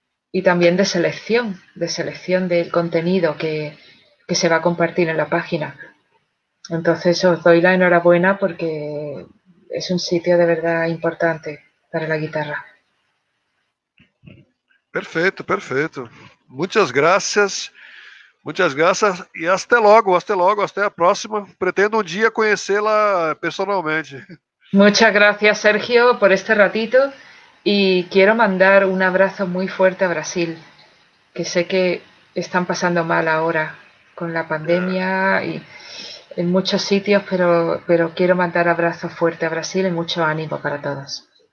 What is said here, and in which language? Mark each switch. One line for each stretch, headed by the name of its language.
Spanish: Y también de selección del contenido que se va a compartir en la página. Entonces os doy la enhorabuena porque es un sitio de verdad importante para la guitarra.
Portuguese: Perfeito, perfeito. Muitas graças e até logo, até logo, até a próxima. Pretendo um dia conhecê-la pessoalmente.
Spanish: Muchas gracias, Sergio, por este ratito y quiero mandar un abrazo muy fuerte a Brasil, que sé que están pasando mal ahora con la pandemia y en muchos sitios, pero quiero mandar abrazo fuerte a Brasil y mucho ánimo para todos.